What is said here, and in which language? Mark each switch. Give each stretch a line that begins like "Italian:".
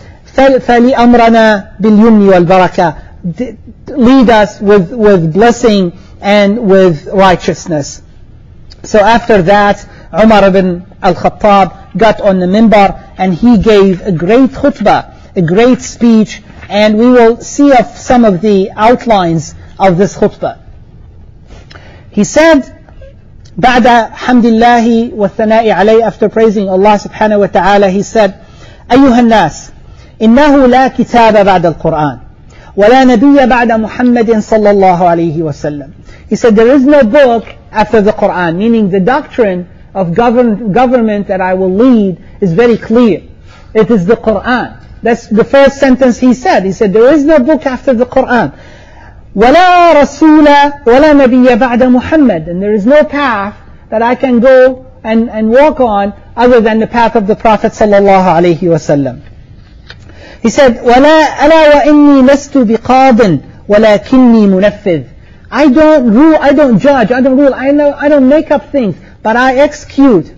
Arabic: فلأمرنا باليمن والبركة.
English: Lead us with blessing and with righteousness. So after that, Umar ibn al-Khattab got on the minbar and he gave a great khutbah, a great speech, and we will see some of the outlines of this khutbah. He said,
Arabic: بعد حمد الله والثناء عليه,
English: after praising Allah subhanahu wa ta'ala, he said,
Arabic: أيها الناس, إنه لا كتاب بعد القرآن ولا نبي بعد محمد صلى الله عليه وسلم.
English: He said, there is no book after the Quran, meaning the doctrine of government that I will lead is very clear. It is the Quran. That's the first sentence he said. He said, there is no book after the Quran.
Arabic: ولا رسول ولا نبي بعد محمد.
English: And there is no path that I can go and walk on other than the path of the Prophet
Arabic: صلى الله عليه وسلم.
English: He said,
Arabic: وَلَا أَلَا وَإِنِّي لَسْتُ بِقَاضٍ وَلَكِنِّي مُنَفِّذٍ.
English: I don't rule, I don't judge, I don't rule, I don't make up things, but I execute.